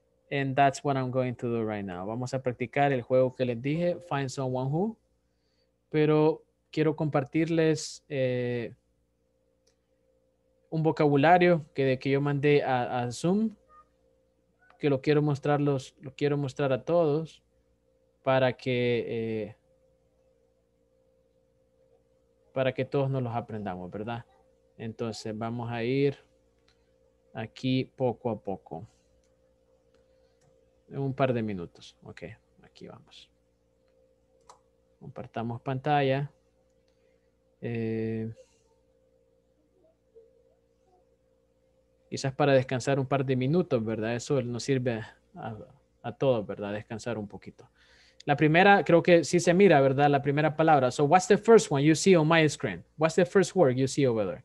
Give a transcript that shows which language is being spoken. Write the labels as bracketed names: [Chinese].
[English] And that's what I'm going to do right now. [Spanish] Vamos a practicar el juego que les dije, Find Someone Who. Pero quiero compartirles un vocabulario que yo mandé a Zoom, que lo quiero mostrar a todos para que todos nos los aprendamos, ¿verdad? Entonces vamos a ir aquí poco a poco. En un par de minutos. Ok, aquí vamos. Compartamos pantalla. Quizás para descansar un par de minutos, ¿verdad? Eso nos sirve a todos, ¿verdad? Descansar un poquito. La primera, creo que sí se mira, ¿verdad? La primera palabra. [English] So, what's the first one you see on my screen? What's the first word you see over there?